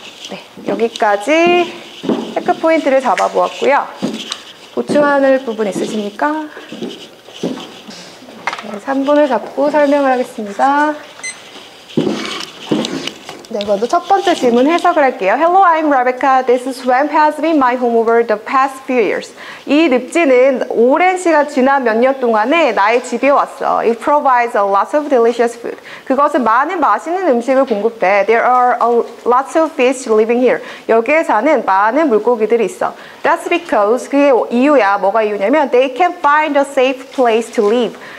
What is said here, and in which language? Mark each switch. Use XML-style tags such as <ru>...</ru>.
<ko>네, 여기까지 체크 포인트를 잡아보았고요. 보충할 부분 있으십니까? 네, 3분을 잡고 설명을 하겠습니다. 네, 먼저 첫 번째 질문 해석을 할게요.</ko> <en>Hello, I'm Rebecca. This swamp has been my home over the past few years.</en> <ko>이 늪지는 오랜 시간 지난 몇 년 동안에 나의 집에 왔어.</ko> <en>It provides a lot of delicious food.</en> <ko>그것은 많은 맛있는 음식을 공급해.</ko> <en>There are a lot of fish living here.</en> <ko>여기에 사는 많은 물고기들이 있어.</ko> <en>That's because,</en> <ko>그게 이유야. 뭐가 이유냐면</ko> <en>they can find a safe place to live.</en>